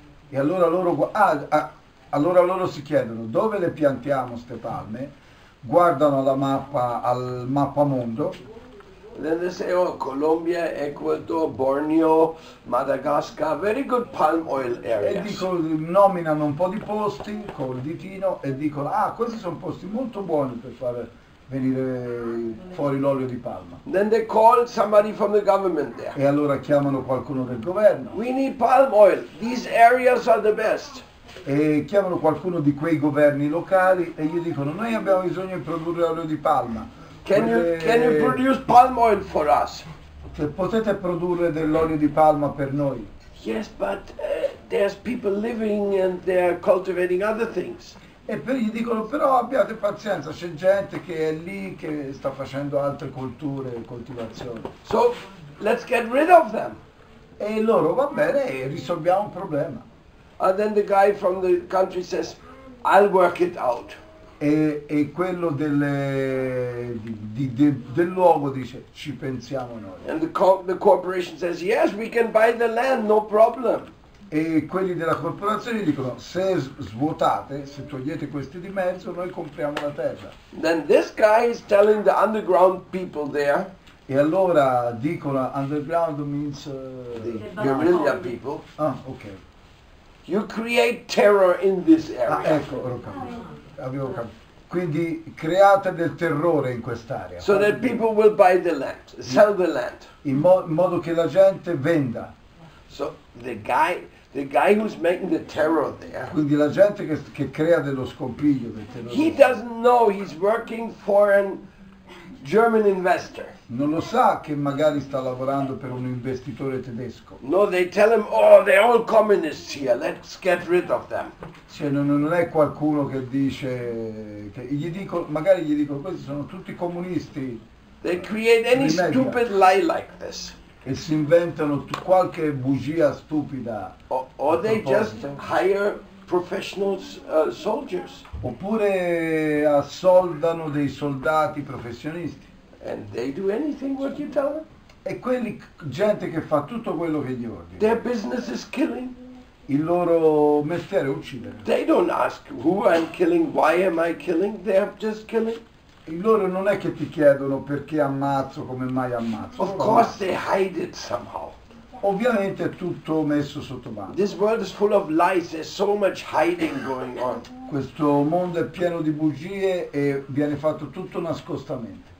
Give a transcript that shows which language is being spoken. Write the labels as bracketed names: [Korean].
[Italian] E allora loro si chiedono dove le piantiamo ste palme, guardano la mappa, al mappamondo. [English] Then they say, oh, Colombia, Ecuador, Borneo, Madagascar, very good palm oil areas. [Italian] E dicono, nominano un po' di posti col ditino e dicono, ah, questi sono posti molto buoni per fare venire fuori l'olio di palma. [English] Then they call somebody from the government there. [Italian] E allora chiamano qualcuno del governo. [English] We need palm oil. These areas are the best. [Italian] E chiamano qualcuno di quei governi locali e gli dicono, noi abbiamo bisogno di produrre olio di palma. [English] Can you produce palm oil for us? [Italian] Che potete produrre dell'olio di palma per noi? [English] Yes, but there's people living and they are cultivating other things. [Italian] E per gli dicono però abbiate pazienza, c'è gente che è lì che sta facendo altre colture, coltivazioni. [English] So let's get rid of them. [Italian] E loro va bene e risolviamo un problema. [English] And then the guy from the country says, I'll work it out. [Italian] E quello del luogo dice ci pensiamo noi. [English] And the corporation says, yes, we can buy the land, no problem. [Italian] E quelli della corporazione dicono se svuotate, se togliete questi di mezzo, noi compriamo la terra. [English] Then this guy is telling the underground people there. [Italian] E allora dicono [English] underground means the guerrilla people. Ah, ok. You create terror in this area. [Italian] Ah, ecco, ho capito. Avevo capito. Quindi create del terrore in quest'area. [English] So that people will buy the land, sell the land. [Italian] In modo che la gente venda. [English] So the guy who's making the terror there. [Italian] Quindi la gente che crea dello scompiglio del terrore. [English] He doesn't know he's working for a German investor. [Italian] Non lo sa che magari sta lavorando per un investitore tedesco. [English] No, they tell him, oh, they're all communists here. Let's get rid of them. [Italian] Cioè non è qualcuno che dice che gli dico, magari gli dico questi sono tutti comunisti. [English] They create any stupid lie like this. [Italian] E si inventano qualche bugia stupida. [English] Or they just hire professional soldiers. [Italian] Oppure assoldano dei soldati professionisti. [English] And they do anything what you tell them. [Italian] E quelli, gente che fa tutto quello che gli ordini. [English] Their business is killing. [Italian] Il loro mestiere è uccidere. [English] They don't ask who I'm killing, why am I killing, they are just killing. [Italian] Loro non è che ti chiedono perché ammazzo, come mai ammazzo. [English] Of course they hide it somehow. [Italian] Ovviamente è tutto messo sotto mano. [English] This world is full of lies, there's so much hiding going on. [Italian] Questo mondo è pieno di bugie e viene fatto tutto nascostamente.